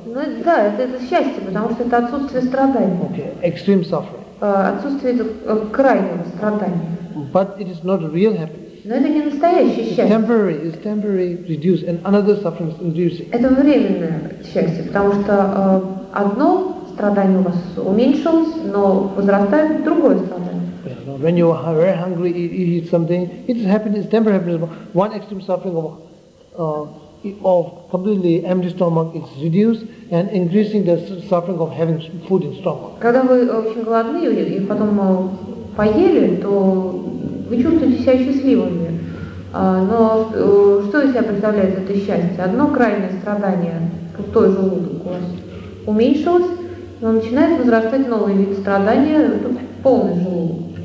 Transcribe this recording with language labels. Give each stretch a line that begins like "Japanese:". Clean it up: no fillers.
Russian: Ну да, это счастье, потому что это отсутствие страданий.
English: Okay, extreme suffering.
Russian: Отсутствие крайнего страдания.
English: But it is not real happiness.
Russian: Но это не настоящее счастье.
English: It's temporary reduced, and another suffering is reducing.
Russian: Это временное счастье, потому что одно страдание у вас уменьшилось, но возрастает другое страдание.
English: When you are very hungry, you eat something, it is happiness, temporary happiness. One extreme suffering of completely empty stomach is reduced, and increasing the suffering of having food in stomach.
Russian: Когда вы очень голодны и потом поели, то вы чувствуете себя счастливыми. Но что из себя представляет это счастье? Одно крайнее страдание, пустой желудок у вас уменьшилось, но начинает возрастать новый вид страдания, полный желудок.